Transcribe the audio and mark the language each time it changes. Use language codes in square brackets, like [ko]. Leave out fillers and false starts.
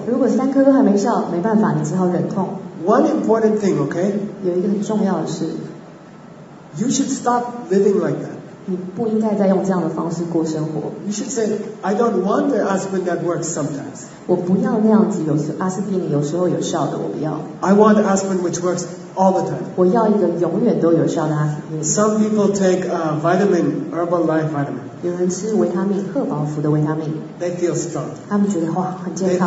[zh] 如果三颗都还没效，没办法，你只好忍痛。 [en] One important thing, okay? [zh] 有一个很重要的事。 [en] You should stop living like that. [zh] 你不应该再用这样的方式过生活。 [en] You should say, I don't want the aspirin that works sometimes. [zh] 我不要那样子，有时阿司匹林有时候有效的，我不要。 [en] I want aspirin which works. All the time. [zh] 我要一个永远都有效的阿司匹林。 [en] Some people take vitamin, herbal life vitamin. [zh] 有人吃维他命，赫宝福的维他命。 [en] They feel strong. [zh] 他们觉得哇，很健康。